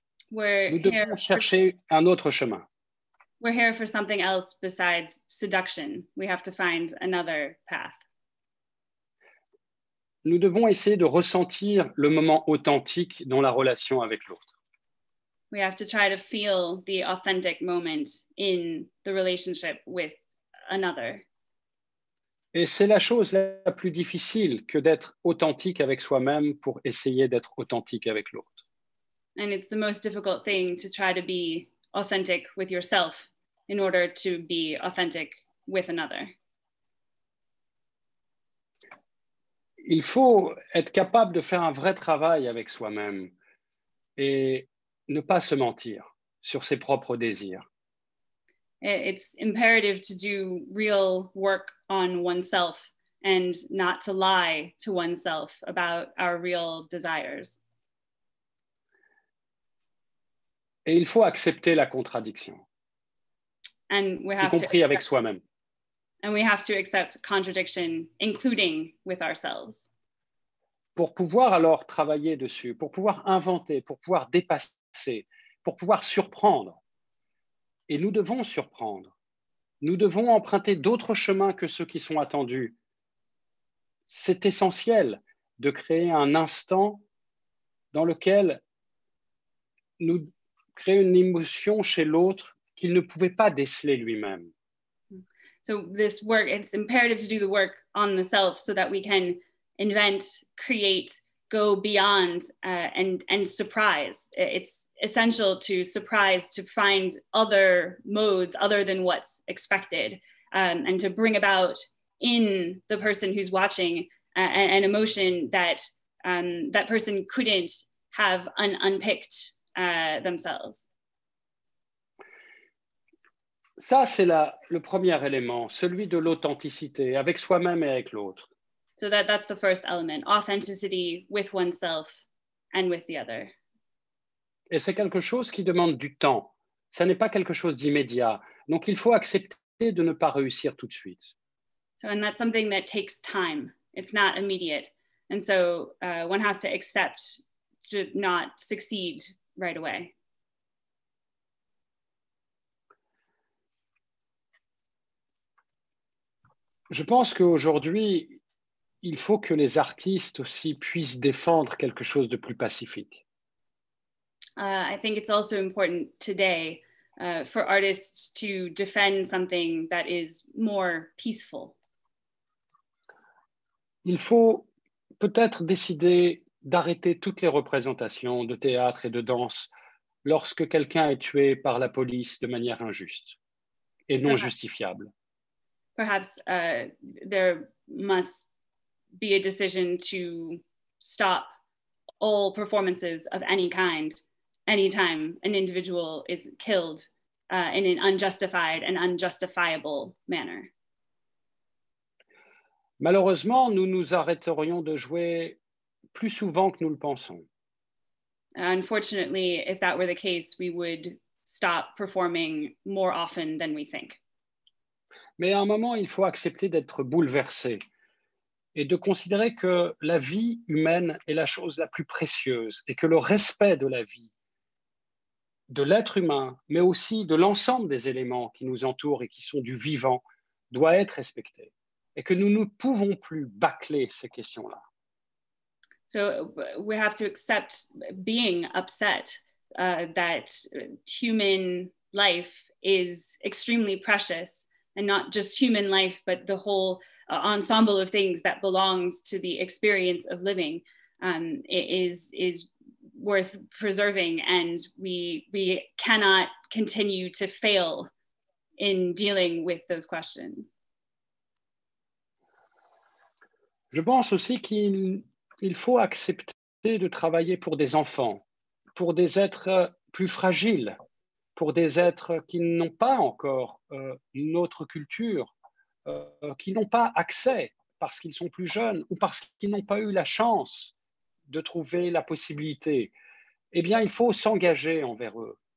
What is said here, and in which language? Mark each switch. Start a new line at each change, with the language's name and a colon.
French: Nous devons chercher un autre chemin.
English: We're here for something else besides seduction. We have to find another path.
French: Nous devons essayer de ressentir le moment authentique dans la relation avec l'autre.
English: We have to try to feel the authentic moment in the relationship with another.
French: Et c'est la chose la plus difficile que d'être authentique avec soi-même pour essayer d'être authentique avec l'autre.
English: And it's the most difficult thing to try to be authentic with yourself in order to be authentic with another.
French: Il faut être capable de faire un vrai travail avec soi-même et ne pas se mentir sur ses propres désirs.
English: it's imperative to do real work on oneself and not to lie to oneself about our real desires.
French: Et il faut accepter la contradiction.
English: And we have
French: y compris
English: to
French: avec soi-même.
English: And we have to accept contradiction, including with ourselves.
French: Pour pouvoir alors travailler dessus, pour pouvoir inventer, pour pouvoir dépasser, pour pouvoir surprendre. Et nous devons surprendre. Nous devons emprunter d'autres chemins que ceux qui sont attendus. C'est essentiel de créer un instant dans lequel nous créons une émotion chez l'autre qu'il ne pouvait pas déceler lui-même.
English: So this work, it's imperative to do the work on the self so that we can invent, create, go beyond and surprise. It's essential to surprise, to find other modes other than what's expected and to bring about in the person who's watching an emotion that that person couldn't have unpicked themselves.
French: Ça, c'est le premier élément, celui de l'authenticité avec soi-même et avec l'autre.
English: So that's the first element, authenticity with oneself and with the other.
French: Et c'est quelque chose qui demande du temps. Ça n'est pas quelque chose d'immédiat. Donc il faut accepter de ne pas réussir tout de suite.
English: So, and that's something that takes time. It's not immediate. And so one has to accept to not succeed right away.
French: Je pense qu'aujourd'hui, il faut que les artistes aussi puissent défendre quelque chose de plus pacifique.
English: I think it's also important today for artists to defend something that is more peaceful.
French: Il faut peut-être décider d'arrêter toutes les représentations de théâtre et de danse lorsque quelqu'un est tué par la police de manière injuste et non justifiable.
English: Perhaps there must be a decision to stop all performances of any kind anytime an individual is killed in an unjustified and unjustifiable manner.
French: Malheureusement, nous nous arrêterions de jouer plus souvent que nous le pensons.
English: Unfortunately, if that were the case, we would stop performing more often than we think.
French: Mais à un moment, il faut accepter d'être bouleversé et de considérer que la vie humaine est la chose la plus précieuse et que le respect de la vie, de l'être humain, mais aussi de l'ensemble des éléments qui nous entourent et qui sont du vivant, doit être respecté et que nous ne pouvons plus bâcler ces questions-là.
English: So we have to accept being upset that human life is extremely precious. And not just human life, but the whole ensemble of things that belongs to the experience of living is worth preserving. And we cannot continue to fail in dealing with those questions.
French: Je pense aussi qu'il faut accepter de travailler pour des enfants, pour des êtres plus fragiles, pour des êtres qui n'ont pas encore notre culture, qui n'ont pas accès parce qu'ils sont plus jeunes ou parce qu'ils n'ont pas eu la chance de trouver la possibilité, eh bien, il faut s'engager envers eux.